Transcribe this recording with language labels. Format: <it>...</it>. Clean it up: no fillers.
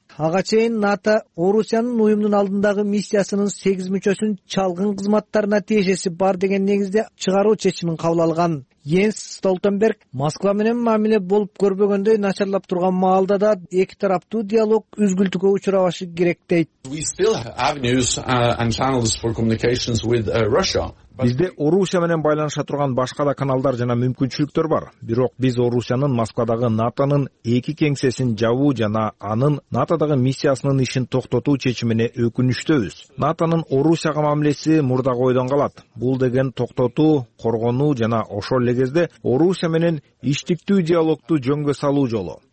<ky>Ага чейин НАТО Орусиянын уюмдун алдындагы миссиясынын 8 мүчөсүн чалгын кызматтарына тиешеси бар деген негизде чыгаруу чечимин кабыл алган. Йенс Столтенберг Москва менен мамиле болуп көрбөгөндөй начарлап турган маалда да эки тараптуу диалог үзгүлтүккө учурабашы керек дейт.</ky> <en>We still have avenues and channels for communications with Russia.</en> <ky>Бизде Орусия менен байланыша турган башка да каналдар жана мүмкүнчүлүктөр бар. Бирок биз Орусиянын Москвадагы НАТО-нун эки кеңсесин жабуу жана анын НАТО-дагы миссиясынын ишин токтотуу чечимине өкүнүштөбүз. НАТО-нун Орусияга мамилеси мурдагы ойдон калат. Бул деген токтотуу, коргонуу жана ошол эле кезде Орусия менен иштиктүү диалогду жөнгө салуу жолу.</ky>